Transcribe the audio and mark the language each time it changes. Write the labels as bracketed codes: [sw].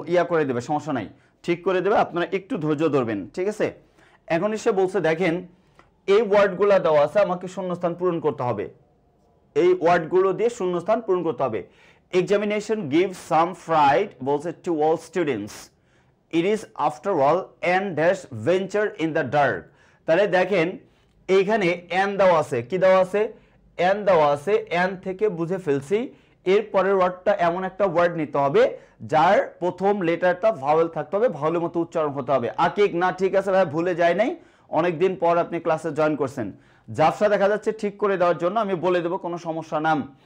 [bn] করে দেবে সমস্যা নাই ঠিক করে দেবে আপনারা একটু ধৈর্য ধরবেন ঠিক আছে এখন এসে বলছে দেখেন এই ওয়ার্ডগুলো দেওয়া আছে আমাকে শূন্যস্থান পূরণ করতে হবে এই ওয়ার্ডগুলো দিয়ে শূন্যস্থান পূরণ করতে হবে Examination gives some fright বলছে to all students. [en] It is after all and dash venture in the dark. [bn] তাহলে দেখেন এইখানে and দেওয়া আছে কি দেওয়া আছে and দেওয়া আছে and থেকে বুঝে ফেলছি এর পরের ওয়ার্ডটা এমন একটা ওয়ার্ড নিতে হবে যার প্রথম লেটারটা ভাওয়েল থাকতে হবে ভাওয়েলের মতো উচ্চারণ হতে হবে আকিক না ঠিক আছে ভাই ভুলে যায় নাই অনেকদিন পর আপনি ক্লাসে জয়েন করছেন জাফসা দেখা যাচ্ছে ঠিক করে দেওয়ার জন্য আমি বলে দেবো কোনো সমস্যা নাম